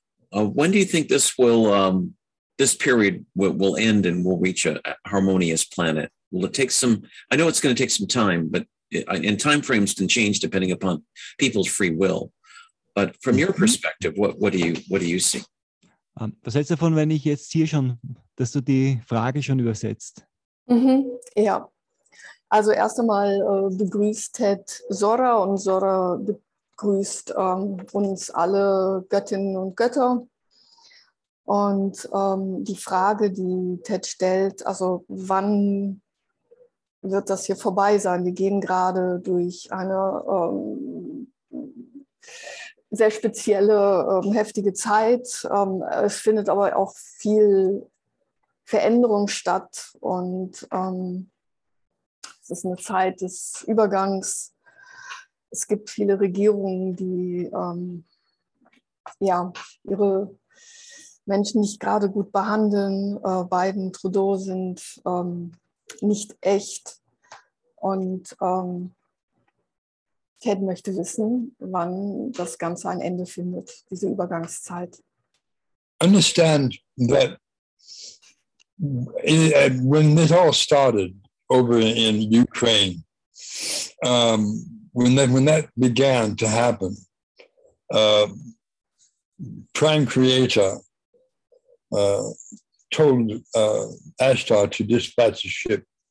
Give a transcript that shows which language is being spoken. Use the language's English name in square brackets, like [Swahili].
[English] When do you think this will this period will end and we'll reach a harmonious planet? Will it take some? I know it's going to take some time, but and time frames can change depending upon people's free will. But from your perspective, what do you see? [German] Was hältst du davon, wenn ich jetzt hier schon, dass du die Frage schon übersetzt? Mhm, ja. Also erst einmal begrüßt Ted Zorra und Zorra begrüßt uns alle Göttinnen und Götter. Und die Frage, die Ted stellt, also wann wird das hier vorbei sein? Wir gehen gerade durch eine sehr spezielle, heftige Zeit. Es findet aber auch viel Veränderung statt und es ist eine Zeit des Übergangs. Es gibt viele Regierungen, die ihre Menschen nicht gerade gut behandeln. Biden, Trudeau sind nicht echt und Ted möchte wissen, wann das Ganze ein Ende findet, diese Übergangszeit. [English] Understand that when this all started over in Ukraine, when that began to happen, Prime Creator told Ashtar to dispatch a ship.